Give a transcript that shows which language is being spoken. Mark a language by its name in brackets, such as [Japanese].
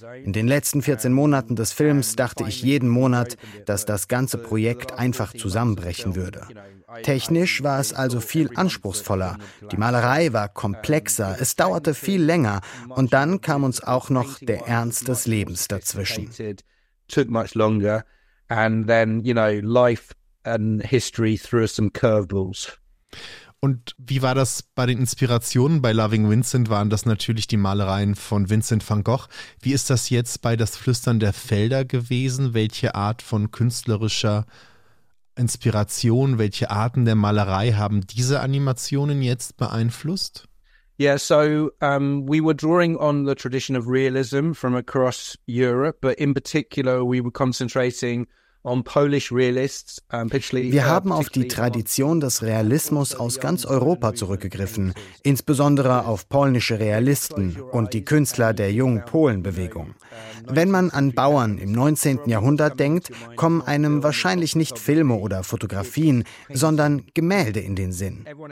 [German] In den letzten 14 Monaten des Films dachte ich jeden Monat, dass das ganze Projekt einfach zusammenbrechen würde. Technisch war es also viel anspruchsvoller. Die Malerei war komplexer, es dauerte viel länger. Und dann kam uns auch noch der Ernst des Lebens dazwischen. [English] Took much longer. And then, you know, life and history threw some curveballs. [German] Und wie war das bei den Inspirationen? Bei Loving Vincent waren das natürlich die Malereien von Vincent van Gogh. Wie ist das jetzt bei Das Flüstern der Felder gewesen? Welche Art von künstlerischer Inspiration, welche Arten der Malerei haben diese Animationen jetzt beeinflusst? [English] Yeah, so we were drawing on the tradition of realism from across Europe, but in particular we were concentrating [German] Wir haben auf die Tradition des Realismus aus ganz Europa zurückgegriffen, insbesondere auf polnische Realisten und die Künstler der jungen Polenbewegung. Wenn man an Bauern im 19. Jahrhundert denkt, kommen einem wahrscheinlich nicht Filme oder Fotografien, sondern Gemälde in den Sinn.